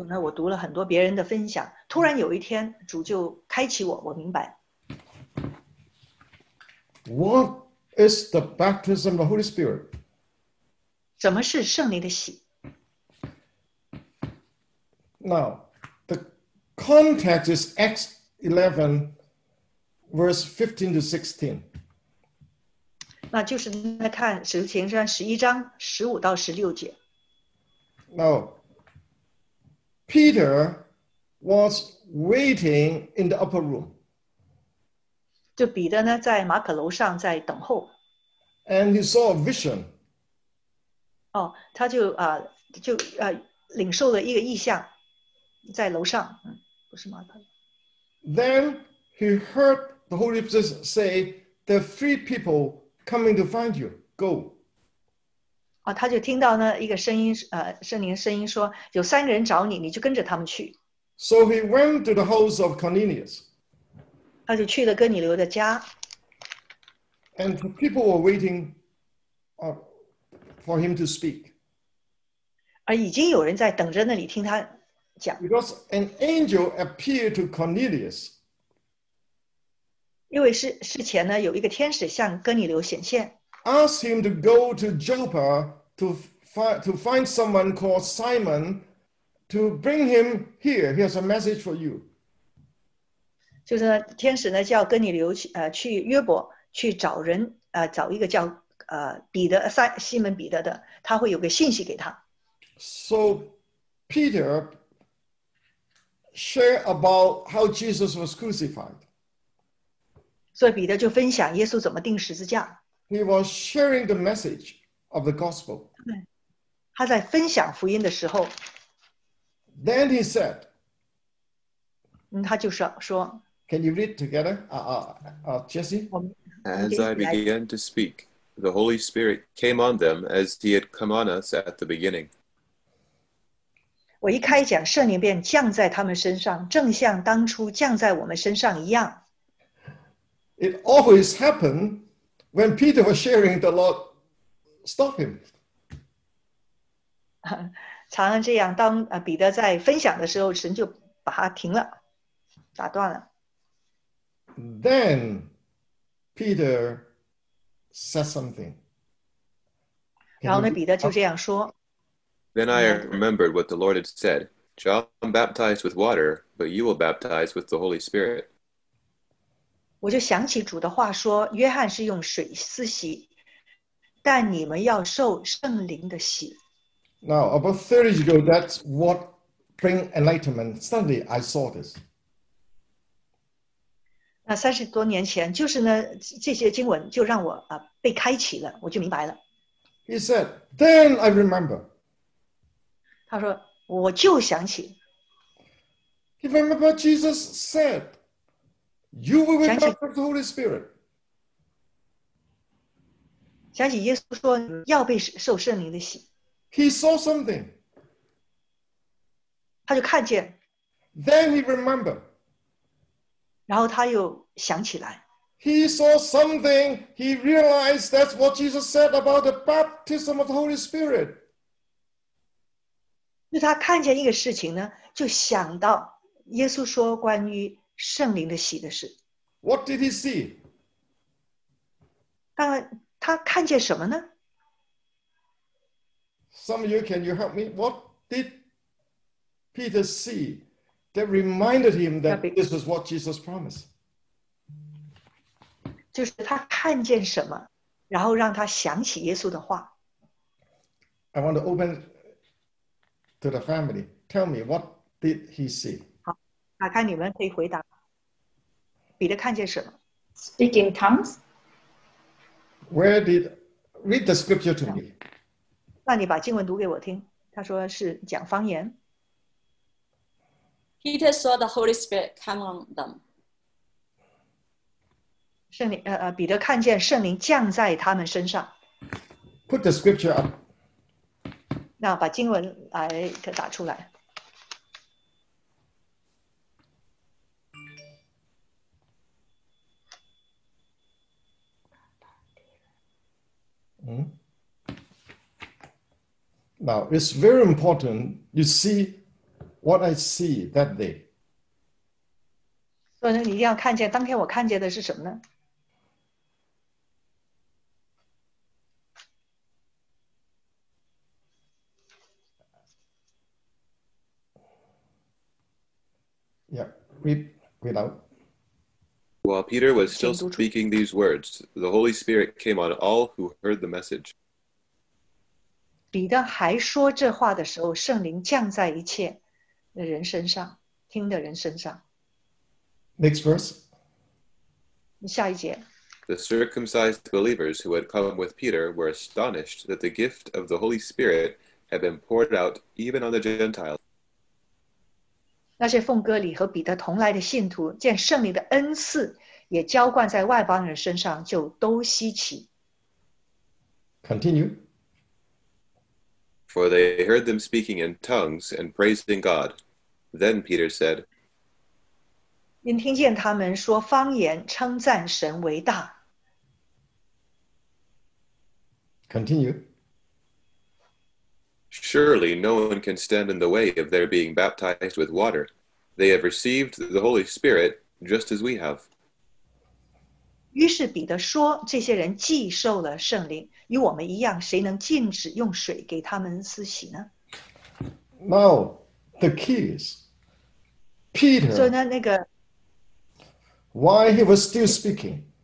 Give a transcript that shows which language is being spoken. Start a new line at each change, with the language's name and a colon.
Chinese: 当然呢,也是根据我读了很多别人的分享, 突然有一天,主就开启我, 我明白。
English: What is the baptism of the Holy Spirit?
Chinese: 什么是圣灵的喜?
English: Now, the context is Acts 11, verse 15 to 16. Now, Peter was waiting in the upper room.
Chinese: 就彼得呢, 在马可楼上, 在等候,
English: and he saw a vision.
Chinese: 哦, 他就, 就, 领受了一个意象, 在楼上, 不是马可,
English: then he heard the Holy Spirit say, there are three people coming to find you. Go.
Chinese: 哦, 他就听到呢, 一个声音, 圣灵声音说, 有三个人找你, 你就跟着他们去。
English: So he went to the house of Cornelius.
Chinese: 他就去了哥尼流的家。
English: And the people were waiting for him to speak.
Chinese: 而已经有人在等着那里听他讲。
English: Because an angel appeared to Cornelius.
Chinese: 因为事前呢, 有一个天使向哥尼流显现,
English: asked him to go to Joppa to find someone called Simon to bring him here. He has a message for you.
Chinese: 就是呢, 天使呢, 叫哥尼流, 去约伯, 去找人, 找一个叫, 彼得, 西门彼得的, 他会有个信息给他。
English: So Peter shared about how Jesus was crucified.
Chinese: 所以彼得就分享耶稣怎么钉十字架。
English: He was sharing the message of the gospel.
Chinese: 他在分享福音的时候,
English: then he said,
Chinese: 他就说,
English: can you read together, Jesse? As I began to speak, the Holy Spirit came on them as he had come on us at the beginning.
Chinese: 我一开讲, 圣灵便降在他们身上, 正像当初降在我们身上一样。
English: It always happened when Peter was sharing, the Lord stopped him.
Chinese: 常常这样, 当, 彼得在分享的时候, 神就把他停了, 打断了。
English: Then Peter said something.
Chinese: 然后呢, 彼得就这样说,
English: then I remembered what the Lord had said. John baptized with water, but you will baptize with the Holy Spirit.
Chinese: 我就想起主的话说, 约翰是用水施洗, 但你们要受圣灵的洗。
English: Now, about 30 years ago, that's what bring enlightenment. Suddenly, I saw this.
Chinese: 那30多年前, 就是呢, 这些经文就让我, 被开启了, 我就明白了。
English: He said, then I remember.
Chinese: 他说，我就想起。
English: You remember what Jesus said? You will be baptized with the Holy Spirit.
Chinese: 想起耶稣说要被受圣灵的洗。
English: He saw something.
Chinese: 他就看见。
English: Then he remembered.
Chinese: 然后他又想起来。
English: He saw something. He realized that's what Jesus said about the baptism of the Holy Spirit.
Chinese: 就他看见一个事情呢，就想到耶稣说关于圣灵的洗的事。
English: What did he see?
Chinese: 当然，他看见什么呢
English: ？Some of you, can you help me? What did Peter see that reminded him that this is what Jesus promised?
Chinese: 就是他看见什么，然后让他想起耶稣的话。
English: I want to open to the family. Tell me, what did he see?
Chinese: 好，打开你们可以回答。彼得看见什么
English: ？Speaking tongues. Where did read the scripture to me?
Chinese: 那你把经文读给我听。他说是讲方言。
English: Peter saw the Holy Spirit come on them.
Chinese: 圣灵彼得看见圣灵降在他们身上。
English: Put the scripture up.
Chinese: 那把经文来打出来。
English: Now, it's very important you see what I see that day. So, you
Chinese: 一定要看见当天我看见的是什么呢
English: Yeah, read out. While Peter was still speaking these words, the Holy Spirit came on all who heard the message.
Chinese: 彼得还说这话的时候，圣灵降在一切的人身上，听的人身上。
English: Next verse.
Chinese: 下一节。
English: The circumcised believers who had come with Peter were astonished that the gift of the Holy Spirit had been poured out even on the Gentiles.
Chinese: 那些奉割礼和彼得同来的信徒见圣灵的恩赐也浇灌在外邦人身上就都稀奇。
English: Continue. For they heard them speaking in tongues and praising God. Then Peter said,
Chinese: 因听见他们说方言称赞神为大。
English: Continue. Surely no one can stand in the way of their being baptized with water. They have received the Holy Spirit just as we have.
Chinese: 于是彼得说，这些人既受了圣灵，与我们一样，谁能禁止用水给他们施洗呢
English: ？Now the key is Peter.
Chinese: 所以呢，那个
English: why he was still speaking.